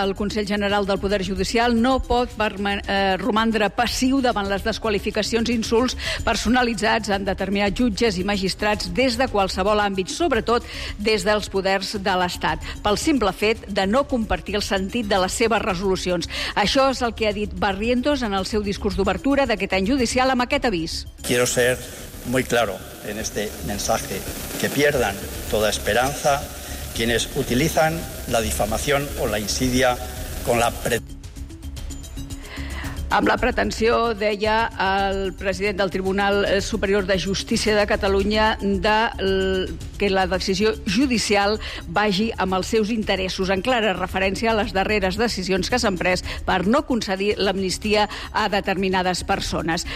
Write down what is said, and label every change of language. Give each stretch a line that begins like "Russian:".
Catalan: El Consell General del Poder Judicial no pot romandre passiu davant les desqualificacions i insults personalitzats en determinats jutges i magistrats des de qualsevol àmbit, sobretot des dels poders de l'Estat, pel simple fet de no compartir el sentit de les seves resolucions. Això és el que ha dit Barrientos en el seu discurs d'obertura d'aquest any judicial amb aquest avís.
Spanish: Quiero ser muy claro en este mensaje. Que pierdan toda esperanza quienes utilizan la difamación o la insidia con la
Catalan: amb la pretensió, deia el president del Tribunal Superior de Justícia de Catalunya, de que la decisió judicial vagi amb els seus interessos, en clara referència a les darreres decisions que s'han pres per no concedir l'amnistia a determinades persones.